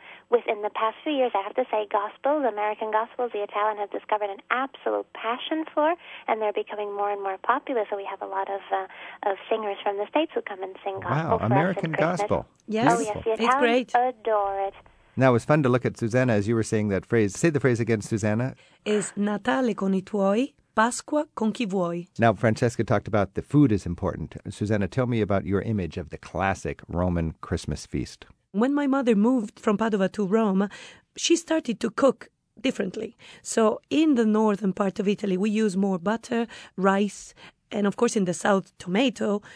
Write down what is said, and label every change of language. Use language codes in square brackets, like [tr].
[en] Within the past few years, I have to say, gospels, American gospels, the Italian have discovered an absolute passion for, and they're becoming more and more popular. So we have a lot of singers from the States who come and sing gospel. Wow, American gospel. Yes. Oh, yes, the Italians adore it. Now, it was fun to look at Susanna as you were saying that phrase. Say the phrase again, Susanna. [it] Is Natale con I tuoi, Pasqua con chi vuoi. [en] Now, Francesca talked about the food is important. Susanna, tell me about your image of the classic Roman Christmas feast. When my mother moved from Padova to Rome, she started to cook differently. So in the northern part of Italy, we use more butter, rice, and of course in the south, tomato.